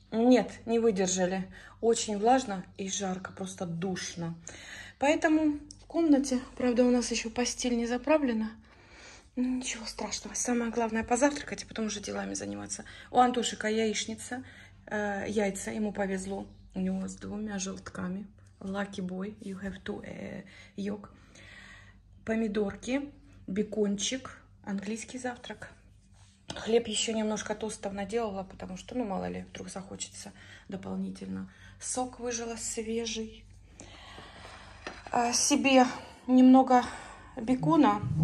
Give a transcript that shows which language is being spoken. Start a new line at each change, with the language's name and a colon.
Russian: Нет, не выдержали. Очень влажно и жарко, просто душно. Поэтому в комнате, правда, у нас еще постель не заправлена. Ничего страшного. Самое главное позавтракать, а потом уже делами заниматься. У Антошика яичница, яйца, ему повезло. У него с двумя желтками.
English: Lucky boy, you have two yolk.
Russian: Помидорки, бекончик, английский завтрак. Хлеб еще немножко тостов наделала, потому что, ну, мало ли, вдруг захочется дополнительно. Сок выжила свежий. Себе немного бекона.